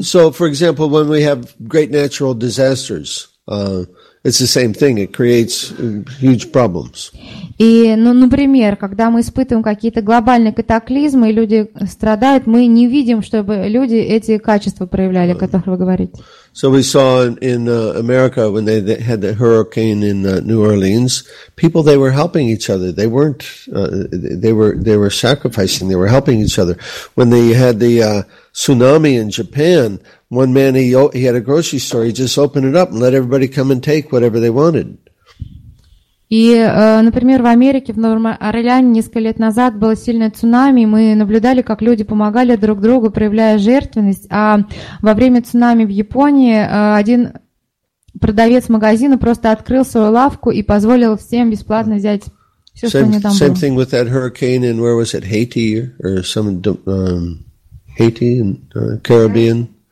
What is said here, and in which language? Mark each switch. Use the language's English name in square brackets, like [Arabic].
[English] Well, so, for example, when we have great natural disasters, it's the same thing. It creates huge problems. [Russian] И, ну, например, когда мы испытываем какие-то глобальные катаклизмы, и люди страдают, мы не видим, чтобы люди эти качества проявляли, о которых вы говорите. [English] So we saw in America when they had the hurricane in New Orleans, people they were helping each other. They weren't they were sacrificing. They were helping each other. When they had the tsunami in Japan, one man he had a grocery store. He just opened it up and let everybody come and take whatever they wanted. [Russian] И, например, в Америке, в Новом Орлеане несколько лет назад было сильное цунами, и мы наблюдали, как люди помогали друг другу, проявляя жертвенность. А во время цунами в Японии один продавец магазина просто открыл свою лавку и позволил всем бесплатно взять все, что у них там было. [English] Same thing with that hurricane in, where was it, Haiti? Or some, Haiti in Caribbean?